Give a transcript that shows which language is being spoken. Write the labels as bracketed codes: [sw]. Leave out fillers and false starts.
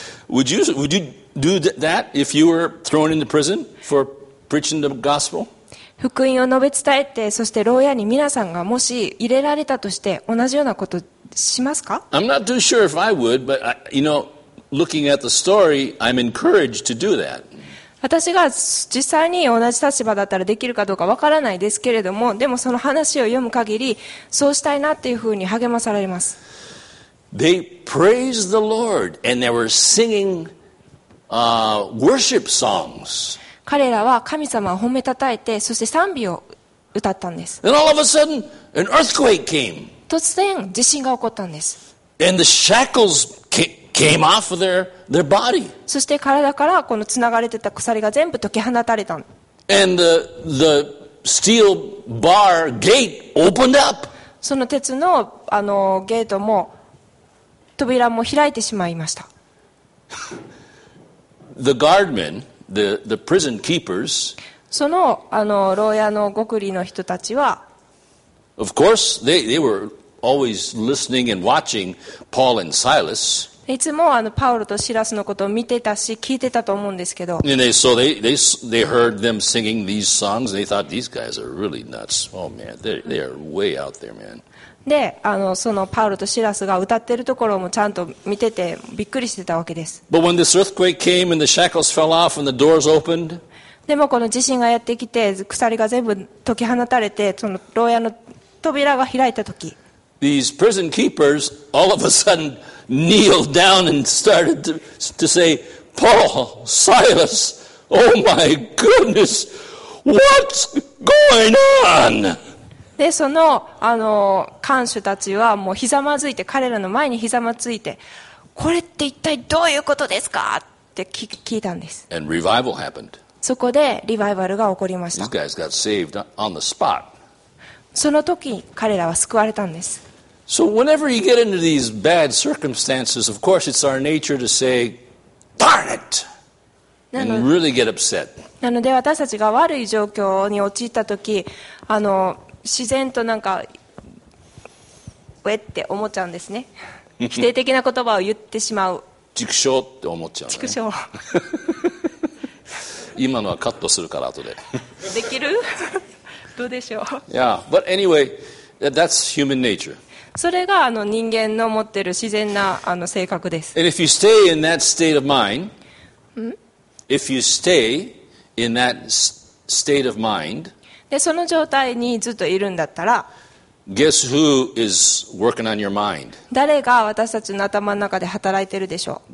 [en] Would you do that if you were thrown into prison for preaching the gospel? [ja] 福音を述べ伝えて、そして牢屋に皆さんがもし入れられたとして同じようなことしますか [en] ？I'm not too sure if I would, but you know, looking at the story, I'm encouraged to do that. [ja] 私が実際に同じ立場だったらできるかどうかわからないですけれども、でもその話を読む限り、そうしたいなっていうふうに励まされます。 [en] They praised the Lord and they were singing, worship songs. [ja] 彼らは神様を褒めたたえて、そして賛美を歌ったんです。 [en] And all of a sudden, an earthquake came. [ja] 突然地震が起こったんです。 [en] And the shackles came off of their body. [ja] そして体からこのつながれてた鎖が全部解き放たれた。 [en] And the steel bar gate opened up. [ja] その鉄のゲートも扉も開いてしまいました。 [en] The guardmen, the prison keepers. [ja] その牢屋のごくりの人たちは。 [en] Of course, they were always listening and watching Paul and Silas. [ja] いつもパウロとシラスのことを見てたし聞いてたと思うんですけど。 [en] They heard them singing these songs. They thought these guys are really nuts. Oh man, they are way out there, man. [ja] で、そのパウロとシラスが歌ってるところもちゃんと見ててびっくりしてたわけです。 [en] But when this earthquake came and the shackles fell off and the doors opened, [ja] でもこの地震がやってきて鎖が全部解き放たれてその牢屋の扉が開いた時、 [en] these prison keepers all of a suddenKneeled down and started to say, Paul, Silas, oh my goodness, what's going on? [ja] で、その、看守たちはもうひざまずいて、彼らの前にひざまずいて、これって一体どういうことですかって聞いたんです。 [en] And revival happened. [ja] そこでリバイバルが起こりました。 [en] These guys got saved on the spot. [ja] その時、彼らは救われたんです。 [en] So whenever you get into these bad circumstances, of course it's our nature to say, "Darn it!" and really get upset. [ja] なので私たちが悪い状況に陥った時、自然となんかウェって思っちゃうんですね。否定的な言葉を言ってしまう。畜生って思っちゃう、ね。畜生。今のはカットするから後で。できる？どうでしょう。 [en] Yeah, but anyway, that's human nature. [ja] それが人間の持ってる自然な性格です。 [en] And if you stay in that state of mind, if you stay in that state of mind, [ja] で、その状態にずっといるんだったら、 [en] Guess who is working on your mind? [ja] 誰が私たちの頭の中で働いてるでしょう。